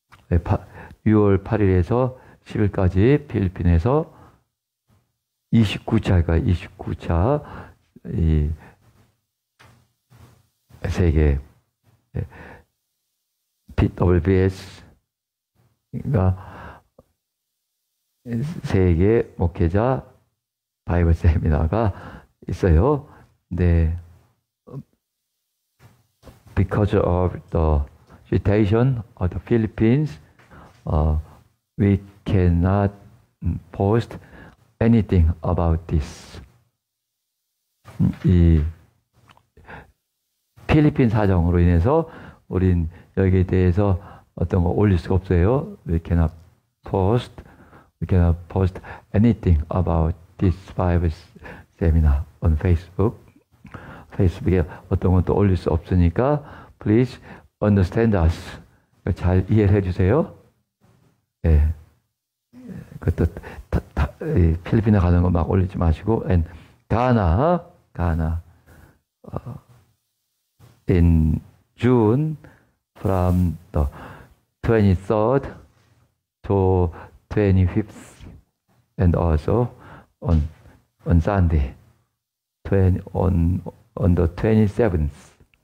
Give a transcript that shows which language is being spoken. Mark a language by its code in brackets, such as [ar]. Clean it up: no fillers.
[ko] 6월 8일에서 10일까지 필리핀에서 29차 이 세계 PWS 그러니까 세계 목회자 바이블 세미나가 있어요. [en] 네, because of the situation of the Philippines, we cannot post anything about this. [ko] 이 필리핀 사정으로 인해서 우린 여기에 대해서 어떤 거 올릴 수가 없어요. [en] We cannot post anything about this Bible seminar on Facebook. [ko] Facebook에 어떤 것도 올릴 수 없으니까 [en] please understand us. [ko] 잘 이해를 해주세요. 네. 그것도 필리핀에 가는 거 막 올리지 마시고 [en] and Ghana in June from the 23rd to 25th and also on Sunday on the 27th.